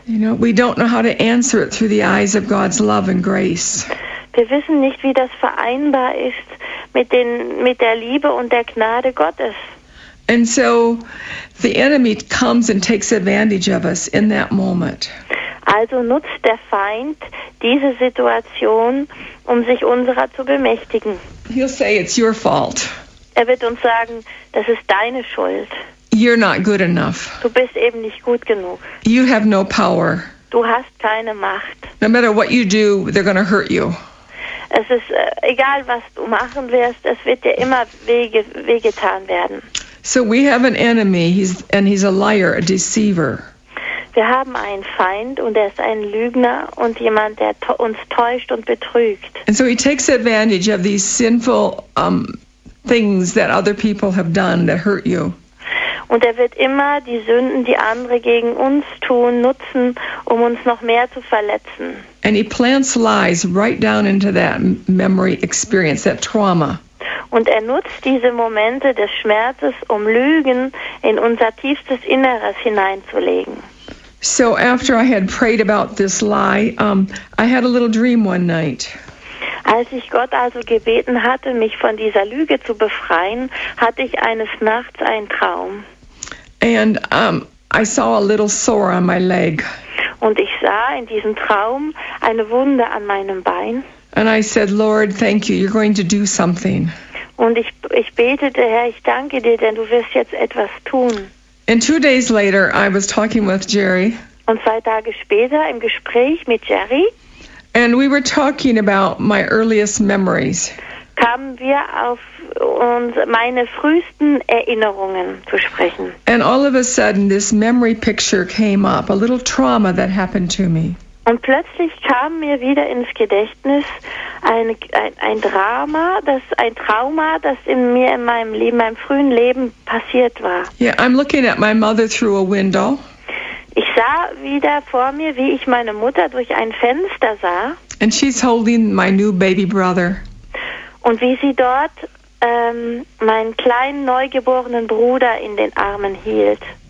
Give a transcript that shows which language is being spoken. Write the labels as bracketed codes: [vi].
[en] You know, we don't know how to answer it through the eyes of God's love and grace. [de] Wir wissen nicht, wie das vereinbar ist mit der Liebe und der Gnade Gottes. [en] And so the enemy comes and takes advantage of us in that moment. [de] Also nutzt der Feind diese Situation, um sich unserer zu bemächtigen. [en] He'll say it's your fault. [de] Er wird uns sagen, das ist deine Schuld. [en] You're not good enough. [de] Du bist eben nicht gut genug. [en] You have no power. [de] Du hast keine Macht. [en] No matter what you do, they're going to hurt you. [de] Es ist egal, was du machen wirst, es wird dir immer wehgetan werden. [en] So we have an enemy, he's a liar, a deceiver. [de] Wir haben einen Feind und er ist ein Lügner und jemand, der uns täuscht und betrügt. [en] And so he takes advantage of these sinful things that other people have done that hurt you. [de] Und er wird immer die Sünden, die andere gegen uns tun, nutzen, um uns noch mehr zu verletzen. [en] And he plants lies right down into that memory experience, that trauma. [de] Und er nutzt diese Momente des Schmerzes, um Lügen in unser tiefstes Inneres hineinzulegen. [en] So after I had prayed about this lie, I had a little dream one night. [de] Als ich Gott also gebeten hatte, mich von dieser Lüge zu befreien, hatte ich eines Nachts einen Traum. [en] And I saw a little sore on my leg. [de] Und ich sah in diesem Traum eine Wunde an meinem Bein. [en] And I said, Lord, thank you, you're going to do something. [de] Und ich betete, Herr, ich danke dir, denn du wirst jetzt etwas tun. [en] And 2 days later, I was talking with Jerry. [de] Und 2 Tage später im Gespräch mit Jerry. [en] And we were talking about my earliest memories. [de] Kamen wir auf meine frühesten Erinnerungen zu sprechen. [en] And all of a sudden, this memory picture came up, a little trauma that happened to me. [de] Und plötzlich kam mir wieder ins Gedächtnis ein Trauma, das in mir in meinem Leben, meinem frühen Leben passiert war. [en] Yeah, I'm looking at my mother through a window. [de] Ich sah wieder vor mir, wie ich meine Mutter durch ein Fenster sah. [en] And she's holding my new baby brother. [de] Und wie sie dort meinen kleinen neugeborenen Bruder in den Armen hielt.